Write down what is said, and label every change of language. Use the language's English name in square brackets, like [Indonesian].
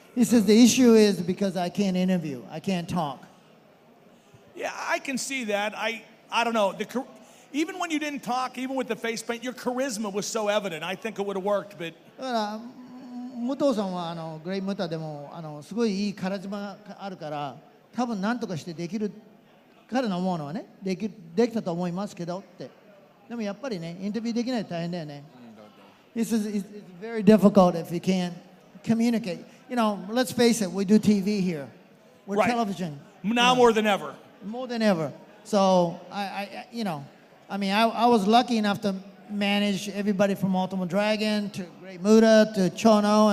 [English] He says the issue is because I can't interview. I can't talk. Yeah, I can see that. I don't know. Even when you didn't talk, even with the face paint, your charisma was so evident. I think it would have worked, but... [Japanese] Muto-san は Great Muta でもすごいいいカリスマがあるから多分何とかしてできる彼の思うのはねできたと思いますけどってでもやっぱりねインタビューできないと大変だよね。 [English] This is it's very difficult if you can't communicate. You know, let's face it, we do TV here. We're right. Television. Now more than ever. More than ever. So, I was lucky enough to manage everybody from Ultimate Dragon to Great Muta to Chono.